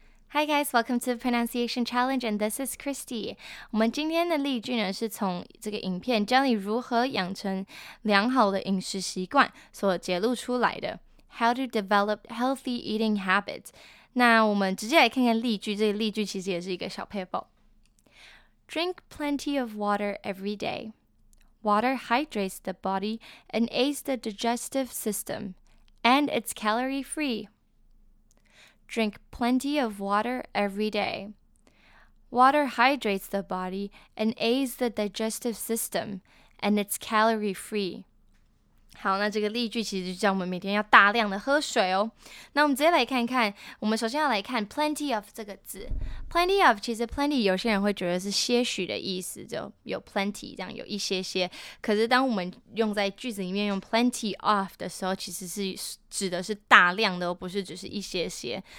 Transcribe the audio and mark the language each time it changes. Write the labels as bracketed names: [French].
[English] Hi guys, welcome to the Pronunciation Challenge, and this is Christy. [Chinese] 我们今天的例句呢，是从这个影片教你如何养成良好的饮食习惯所揭露出来的。 [English] How to develop healthy eating habits. [Chinese] 那我们直接来看看例句，这个例句其实也是一个小 paper。 [English] Drink plenty of water every day. Water hydrates the body and aids the digestive system, and it's calorie-free. Drink plenty of water every day. Water hydrates the body and aids the digestive system, and it's calorie-free. [Chinese] 好，那这个例句其实就叫我们每天要大量的喝水哦。那我们直接来看看，我们首先要来看 plenty of 这个字。 Plenty of 其实 plenty 有些人会觉得是些许的意思，就有 plenty 这样有一些些。可是当我们用在句子里面用 plenty of 的时候，其实是指的是大量的，而不是只是一些些。